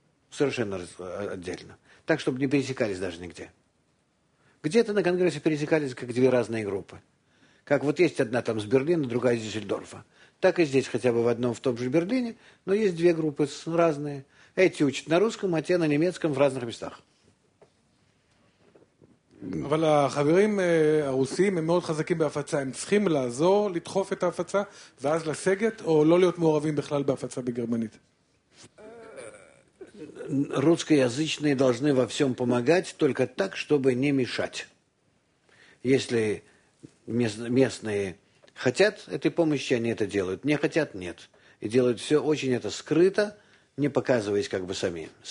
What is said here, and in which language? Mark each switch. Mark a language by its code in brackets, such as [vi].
[ru] Совершенно отдельно. Так, чтобы не пересекались даже нигде. Где-то на Конгрессе пересекались как две разные группы. Как вот есть одна там с Берлина, другая из Дюссельдорфа. Так и здесь, хотя бы в одном, в том же Берлине, но есть две группы разные. Эти учат на русском, а те на немецком в разных местах. [he] אבל החברים הרוסים הם מאוד חזקים בהפצה. הם צריכים לעזור, לדחוף את ההפצה, ואז לסגת, או לא להיות מעורבים בכלל בהפצה בגרמנית? [ru] Русскоязычные должны во всем помогать, только так, чтобы не мешать. Если местные хотят этой помощи, они это делают. Не хотят – нет. И делают все очень это скрыто, не показываясь как бы сами.